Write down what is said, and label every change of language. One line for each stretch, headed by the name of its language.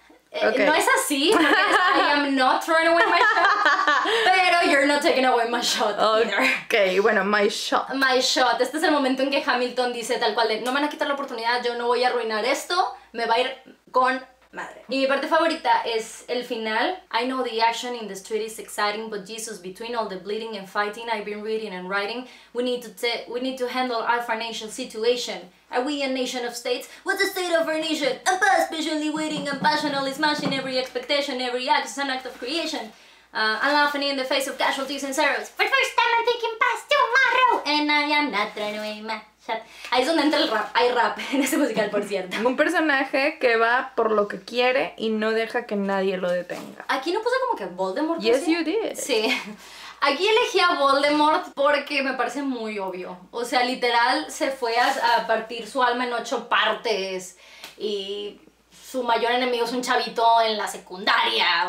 English: Okay.
Spanish: No es así, porque es
English: I am not throwing away my shot, pero you're not taking away my shot either. Ok, bueno, my shot. My shot.
Spanish: Este es el momento en que Hamilton dice tal cual de no me van a quitar la oportunidad, yo no voy a arruinar esto, me va a ir con madre. Y mi parte favorita es el final.
English: I know the action in the street is exciting, but Jesus, between all the bleeding and fighting I've been reading and writing, we need to handle our financial situation. Are we a nation of states? What's the state of our nation? I'm patiently waiting and passionately smashing every expectation. Every act is an act of creation. I'm laughing in the face of casualties and sorrows. For the first time I'm thinking past tomorrow. And I am not throwing away my shot.
Spanish: Ahí es donde entra el rap. Hay rap en este musical, por cierto. Un personaje que va por lo que quiere y no deja que nadie lo detenga. Aquí no puse como que Voldemort.
English: Yes, you did.
Spanish: Sí. Aquí elegí a Voldemort porque me parece muy obvio. O sea, literal, se fue a partir su alma en 8 partes y su mayor enemigo es un chavito en la secundaria.